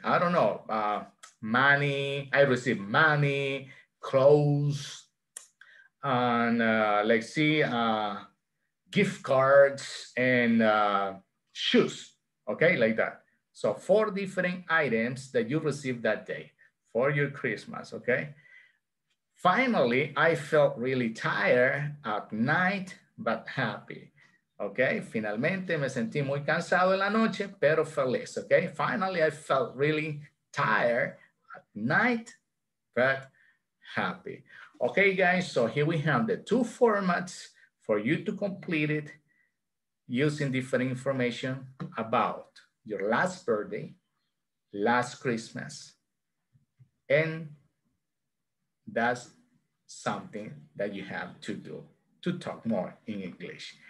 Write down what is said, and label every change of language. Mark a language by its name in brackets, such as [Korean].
[English] I don't know, money, I received money, clothes, and let's see, gift cards, and shoes, okay, like that. So 4 different items that you received that day for your Christmas, okay? Finally, I felt really tired at night, but happy. [Spanish] Okay, finalmente me sentí muy cansado en la noche, pero feliz, okay? [English] Finally, I felt really tired at night, but happy. Okay, guys, so here we have the 2 formats for you to complete it using different information about your last birthday, last Christmas, and that's something that you have to do to talk more in English.